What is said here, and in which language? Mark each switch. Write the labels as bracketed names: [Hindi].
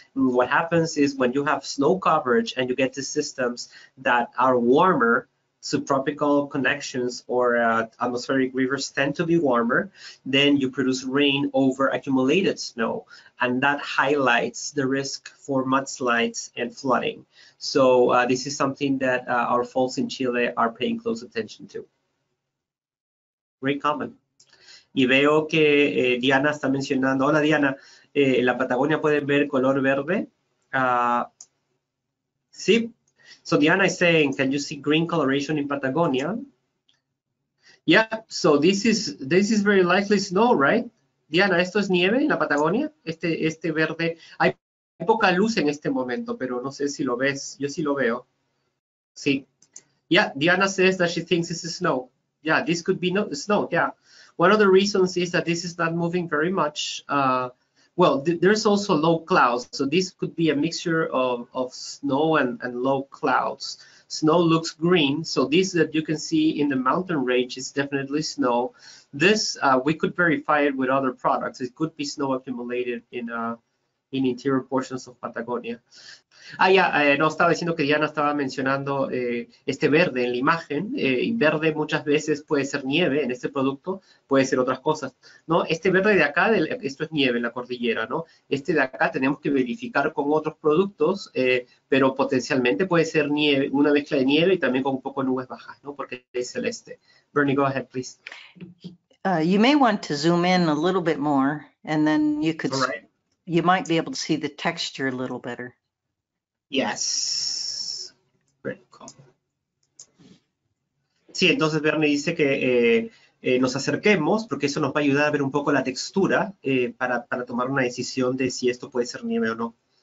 [English] And what happens is when you have snow coverage and you get the systems that are warmer, subtropical connections or atmospheric rivers tend to be warmer, then you produce rain over accumulated snow, and that highlights the risk for mudslides and flooding. So this is something that our folks in Chile are paying close attention to. Very common. [Spanish] Y veo que Diana está mencionando, hola Diana, en la Patagonia pueden ver color verde. [English] Sí. So Diana is saying, can you see green coloration in Patagonia? Yeah, so this is very likely snow, right? [Spanish] Diana, ¿esto es nieve en la Patagonia? Este verde, hay poca luz en este momento, pero no sé si lo ves, yo sí lo veo. Sí. [English] Yeah, Diana says that she thinks this is snow. Yeah, this could be no snow, yeah. One of the reasons is that this is not moving very much. There's also low clouds, so this could be a mixture of snow and low clouds. Snow looks green, so this that you can see in the mountain range is definitely snow. This, we could verify it with other products. It could be snow accumulated in interior portions of Patagonia. [Spanish] Estaba diciendo que Diana estaba mencionando este verde en la imagen, y verde muchas veces puede ser nieve en este producto, puede ser otras cosas, ¿no? Este verde de acá, esto es nieve en la cordillera, ¿no? Este de acá tenemos que verificar con otros productos, pero potencialmente puede ser nieve, una mezcla de nieve y también con un poco de nubes bajas, ¿no? Porque es celeste. Bernie, [English] go ahead, please. You may want to zoom in a little bit more, and then you could you might be able to see the texture a little better. Yes. Very cool. [Spanish] Sí, entonces Bernie dice que nos acerquemos, porque eso nos va a ayudar a ver un poco la textura para tomar una decisión de si esto puede ser nieve o no.